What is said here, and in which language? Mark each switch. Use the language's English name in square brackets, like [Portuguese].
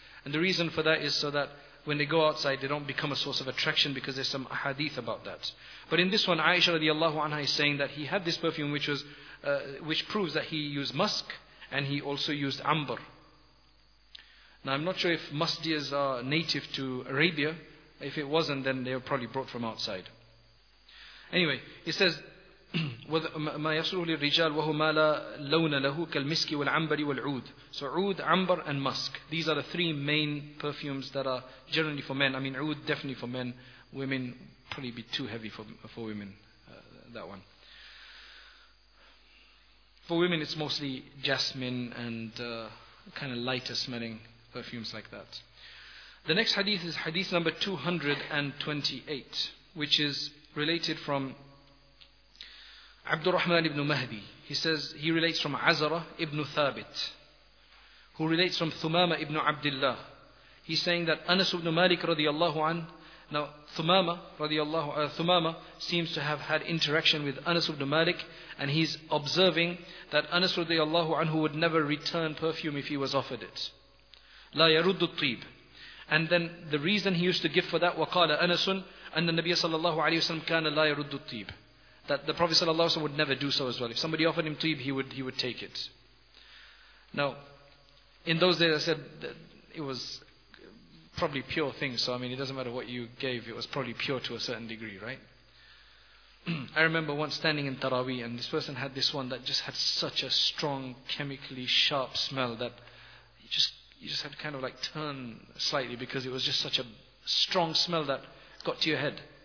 [English] And the reason for that is so that when they go outside, they don't become a source of attraction, because there's some hadith about that. But in this one, Aisha radiallahu anha is saying that he had this perfume which proves that he used musk, and he also used amber. Now, I'm not sure if musdias are native to Arabia. If it wasn't, then they were probably brought from outside. Anyway, it says, [Arabic] مَا يَصُرُهُ لِلْرِجَالِ وَهُمَا لَا لَوْنَ لَهُ كَالْمِسْكِ وَالْعَمْبَرِ وَالْعُودِ. [English] So oud, amber, and musk. These are the 3 main perfumes that are generally for men. I mean, oud definitely for men. Women probably be too heavy for women, that one. For women, it's mostly jasmine and kind of lighter smelling perfumes like that. The next hadith is hadith number 228, which is related from Abdurrahman ibn Mahdi. He says, he relates from Azara ibn Thabit, who relates from Thumama ibn Abdullah. He's saying that Anas ibn Malik radiallahu anhu, now Thumama radiallahu Thumama seems to have had interaction with Anas ibn Malik, and he's observing that Anas radiallahu anhu would never return perfume if he was offered it. [Arabic] La yaruddu at-tib. [English] And then the reason he used to give for that, [Arabic] وَقَالَ أَنَسٌ أَنَّ النَّبِيَ صَلَى اللَّهُ عَلَيْهِ وَسَلَمْ كَانَ لَا يَرُدُّ الطِّيبِ. [English] That the Prophet [Arabic] صلى الله عليه وسلم [English] would never do so as well. If somebody offered him tib, he would take it. Now, in those days I said that it was probably pure thing. So I mean, it doesn't matter what you gave, it was probably pure to a certain degree, right? I remember once standing in Taraweeh, and this person had this one that just had such a strong, chemically sharp smell that you just had to kind of like turn slightly, because it was just such a strong smell that got to your head.